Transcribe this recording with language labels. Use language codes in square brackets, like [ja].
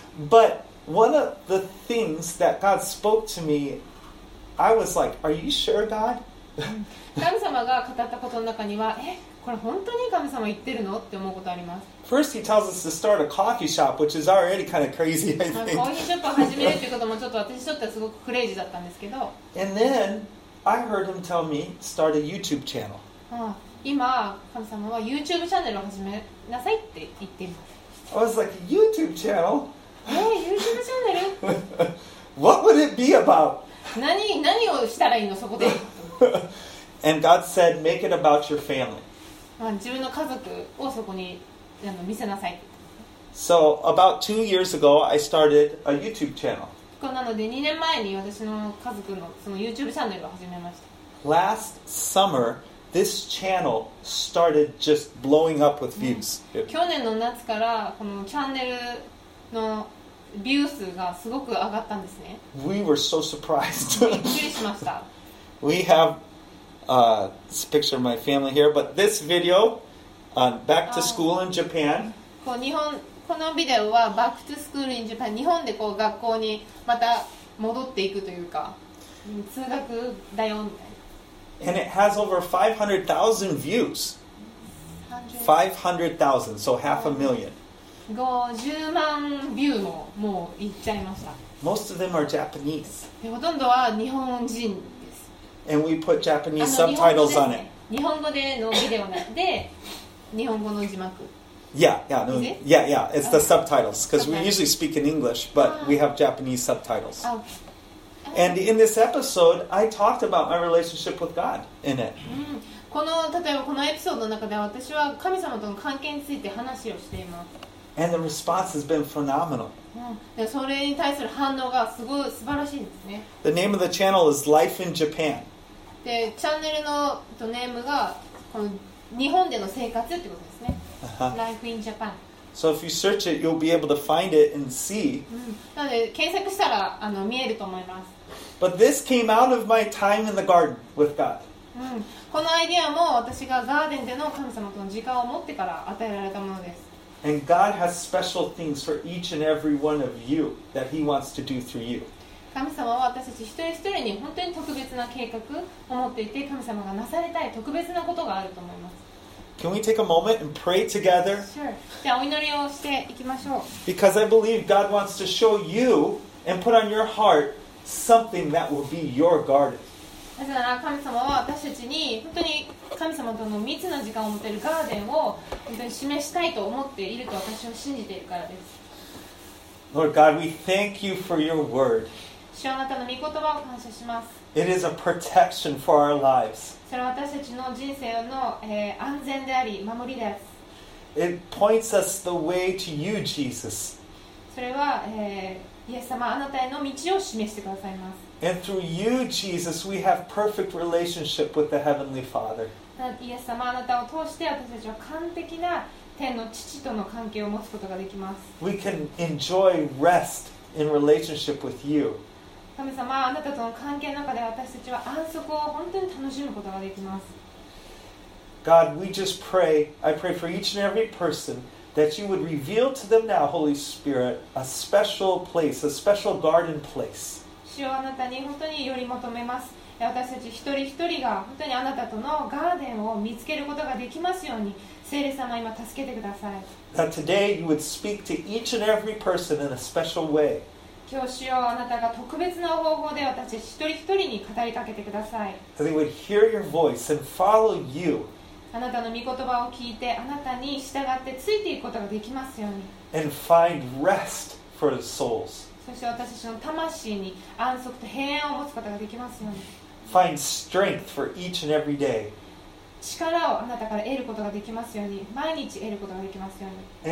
[en] But one of the things that God spoke to me, I was like, are you sure, God? [ja] 神様が語ったことの中には、これ本当に神様言ってるのって思うことあります。 [en] First he tells us to start a coffee shop, which is already kind of crazy, I think. [ja] コーヒーショップを始めるっていうこともちょっと私にとってはすごくクレイジーだったんですけど。 [en] And then I heard him tell me start a YouTube channel. [ja] ああ、今、神様は YouTube チャンネルを始めなさいって言っています。 [en] I was like, YouTube channel? [ja] YouTube チャンネル? [en] What would it be about? [ja] 何をしたらいいの、そこで。 [en] And God said, make it about your family. [ja] 自分の家族をそこに見せなさい。 [en] So, about 2 years ago, I started a YouTube channel. [ja] なので2年前に私の家族のその YouTube チャンネルを始めました。 [en] Last summer, this channel started just blowing up with views. [ja] 去年の夏からこのチャンネルのビュー数がすごく上がったんですね。 [en] We were so surprised. [ja] びっくりしました。 [en] We have this picture of my family here, but this video, back to school in Japan. [ja] こう日本このビデオはバックトゥスクールインジャパン、日本でこう学校にまた戻っていくというか、通学だよみたいな。 [en] And it has over 500,000 views. 500,000, so half a million. [ja] 50万 view ももういっちゃいました。 [en] Most of them are Japanese. [ja] ほとんどは日本人です。 [en] And we put Japanese subtitles on it. [ja] 日本語でのビデオなんで、日本語の字幕。 [en] Yeah, it's the subtitles, because we usually speak in English, but we have Japanese subtitles. And in this episode, I talked about my relationship with God in it. [ja] この、例えばこのエピソードの中で私は神様との関係について話をしています。 [en] And the response has been phenomenal. [ja] それに対する反応がすごい素晴らしいですね。 [en] The name of the channel is Life in Japan. [ja] で、チャンネルのネームがこの日本での生活ってことですね。 [en] Life in Japan. So if you search it, you'll be able to find it and see. [ja] なので検索したら見えると思います。 [en] But this came out of my time in the garden with God. [ja] このアイデアも私がガーデンでの神様との時間を持ってから与えられたものです。 [en] And God has special things for each and every one of you that He wants to do through you. [ja] 神様は私たち一人一人に本当に特別な計画を持っていて、神様がなされたい特別なことがあると思います。 [en] Can we take a moment and pray together? [ja] Sure. じゃあお祈りをしていきましょう。 [en] Because I believe God wants to show you and put on your heart something that will be your garden. [ja] なぜなら神様は私たちに本当に神様との密な時間を持てるガーデンを本当に示したいと思っていると私は信じているからです。 [en] Lord God, we thank you for your word. [ja] 主あなたの御言葉を感謝します。 [en] It is a protection for our lives. [ja] それは私たちの人生の、安全であり守りです。 [en] It points us the way to you, Jesus. [ja] それは、イエス様、あなたへの道を示してくださいます。 [en] And through you, Jesus, we have perfect relationship with the Heavenly Father. [ja] イエス様、あなたを通して私たちは完璧な天の父との関係を持つことができます。 [en] We can enjoy rest in relationship with you. [ja] 神様、あなたとの関係の中で私たちは安息を本当に楽しむことができます。 [en] God, we just pray. I pray for each and every person that you would reveal to them now, Holy Spirit, a special place, a special garden place. [ja] 主をあなたに本当により求めます。私たち一人一人が本当にあなたとのガーデンを見つけることができますように、聖霊様、今助けてください。 [en] That today you would speak to each and every person in a special way. [ja] 今日主よ、あなたが特別な方法で私たち一人一人に語りかけてください。 [en] They would hear your voice and follow you. [ja] あなたの御言葉を聞いて、あなたに従ってついていくことができますように。 [en] And find rest for the souls. [ja] そして私たちの魂に安息と平安を持つことができますように。 [en] Find strength for each and every day. [ja] 力をあなたから得ることができますように、毎日得ることができますように。